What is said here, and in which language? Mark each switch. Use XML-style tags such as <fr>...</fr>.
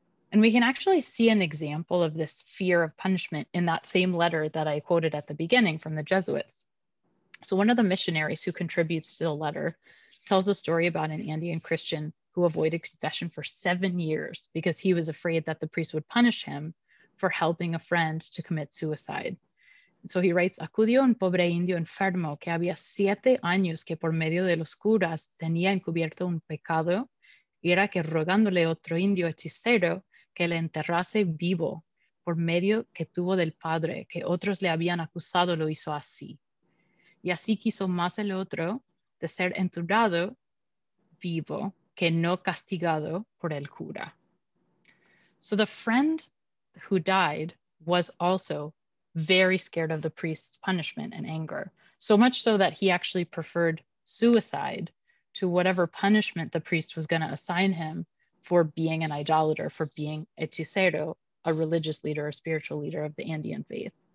<en>And we can actually see an example of this fear of punishment in that same letter that I quoted at the beginning from the Jesuits. So one of the missionaries who contributes to the letter tells a story about an Andean Christian who avoided confession for 7 years because he was afraid that the priest would punish him for helping a friend to commit suicide.</en> <es>So he writes, acudió un pobre indio enfermo que había 7 años que por medio de los curas tenía encubierto un pecado, y era que rogándole otro indio hechicero que le enterrase vivo por medio que tuvo del padre, que otros le habían acusado, lo hizo así. Y así quiso más el otro de ser enterrado vivo que no castigado por el cura.</es> <en>So the friend who died was also very scared of the priest's punishment and anger, so much so that he actually preferred suicide to whatever punishment the priest was going to assign him for being an idolater, for being hechicero, a religious leader or spiritual leader of the Andean faith.</en>